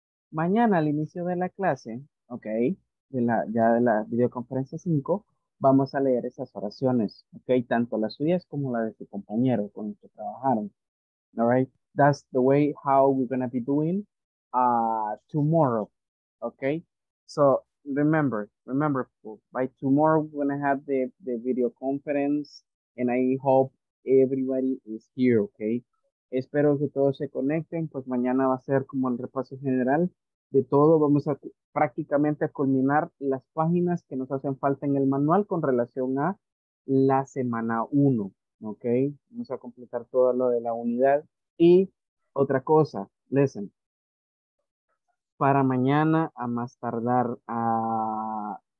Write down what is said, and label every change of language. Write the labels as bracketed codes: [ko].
[es] Mañana, al inicio de la clase, okay, de la videoconferencia 5, vamos a leer esas oraciones, ¿ok? Tanto las suyas como las de su compañero con el que trabajaron, [en] all right? That's the way how we're going to be doing tomorrow, ¿ok? So remember, by tomorrow we're going to have the video conference, and I hope everybody is here, ¿ok? [es] Espero que todos se conecten, pues mañana va a ser como el repaso general de todo. Vamos a prácticamente a culminar las páginas que nos hacen falta en el manual con relación a la semana 1, ¿ok? Vamos a completar todo lo de la unidad. Y otra cosa, listen, para mañana a más tardar a...